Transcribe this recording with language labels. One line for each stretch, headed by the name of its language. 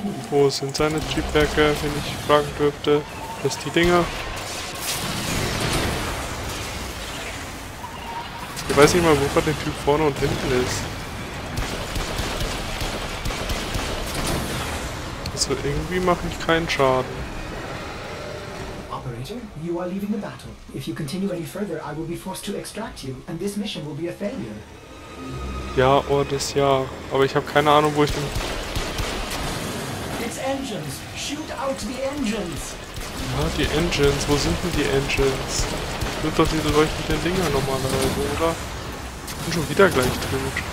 German: Wo sind seine Triebwerke, wenn ich fragen dürfte? Das sind die Dinger. Ich weiß nicht mal, wo gerade der Typ vorne und hinten ist. Also irgendwie mache ich keinen Schaden.
English: Operator, you are leaving the battle. If you continue any further, I will be forced to extract you, and this mission will be a failure.
German: Ja, oh, das ja. Aber ich habe keine Ahnung, wo ich bin.
English: It's engines. Shoot out the engines.
German: Ja, die Engines. Wo sind denn die Engines? Wird doch diese leuchtenden Dinger normalerweise, oder? Ich bin schon wieder gleich drin.